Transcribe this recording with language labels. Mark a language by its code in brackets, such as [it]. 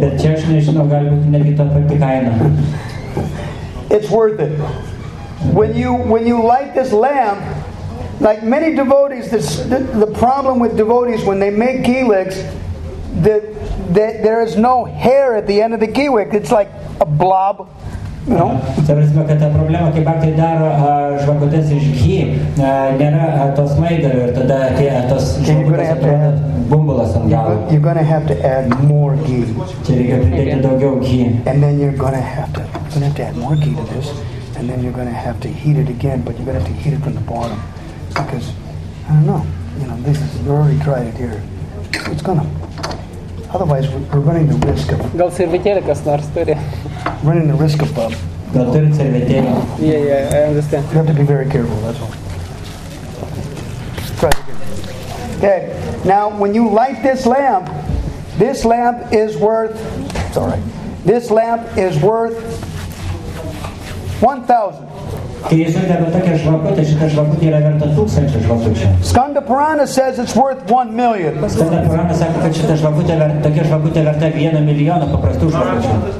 [en] It's worth it. When you light this lamp, like many devotees, the problem with devotees when they make ghee wicks, that there is no hair at the end of the ghee wick. It's like a blob No. [lt] Ta prasme, kad ta problema, kai baktai daro žvakutės iš ghi, nėra to smaigalio ir tada atėjo tos žvakutės atrodo bumbulas ant galo. [en] You're going to have to add more ghi. [lt] Čia reikia pridėti daugiau ghi. [en] And then you're going to have to, add more ghi to this. And then you're going to have to heat it again, but you're going to have to heat it from the bottom. Because, I don't know, you know, this is, you already tried it here. It's going to... Otherwise, we're running the risk of... [lt] Gal servetėlė kas nors turi. [en] Running the risk of... Bob. [lt] Gal turi servetėlė. [en] Yeah, yeah, I understand. You have to be very careful, that's all. Try it again. Okay, now when you light this lamp is worth... Sorry. This lamp is worth 1,000. [lt] Kai jis uždega tokią žvakutę, šita žvakutė yra verta 1,000 žvakučių. [en] Skanda Purana says it's worth 1,000,000. [lt] Skanda Purana sako, kad šita žvakutė verta, tokia žvakutė verta 1,000,000 paprastų žvakučių.